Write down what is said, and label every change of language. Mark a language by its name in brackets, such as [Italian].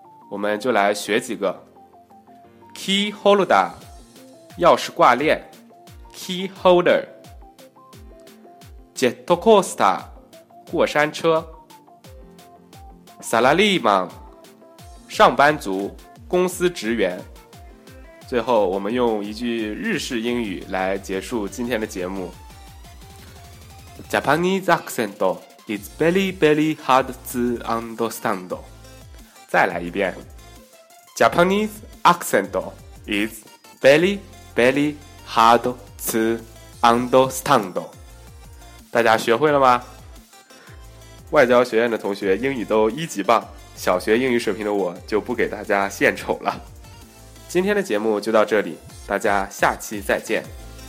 [Chinese] 我们就来学几个 key holder， 钥匙挂链 key holder， jet coaster， 过山车 salaryman， 上班族公司职员。最后，我们用一句日式英语来结束今天的节目。 [English] Japanese accent is very, very hard to understand. [Chinese] 再来一遍。 [English] Japanese accent is very, very hard to understand. [Chinese] 大家学会了吗？外交学院的同学英语都1级棒，小学英语水平的我就不给大家献丑了。今天的节目就到这里，大家下期再见。